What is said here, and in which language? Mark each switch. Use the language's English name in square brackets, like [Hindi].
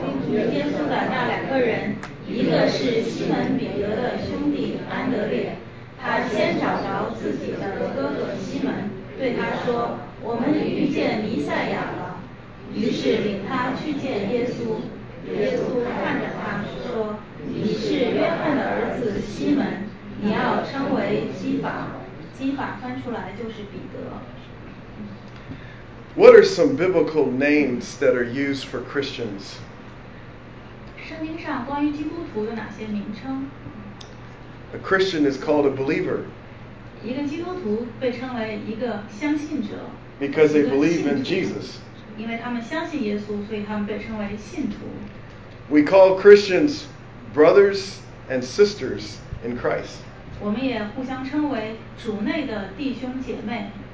[Chinese] 耶稣的那两个人，一个是西门彼得的兄弟安德烈，他先找着自己的哥哥西门，对他说：“我们遇见弥赛亚了。” 于是领他去见耶稣。耶稣看着他说：“你是约翰的儿子西门，你要称为基法。” 基法翻出来就是彼得。 [English] What are some biblical names that are used for Christians? [Chinese] 圣经上关于基督徒有哪些名称？ [English] A Christian is called a believer. [Chinese] 一个基督徒被称为一个相信者。 [English] Because they believe in Jesus. [Chinese] 因为他们相信耶稣，所以他们被称为信徒。 [English] We call Christians brothers and sisters in Christ. [Chinese] 我们也互相称为主内的弟兄姐妹。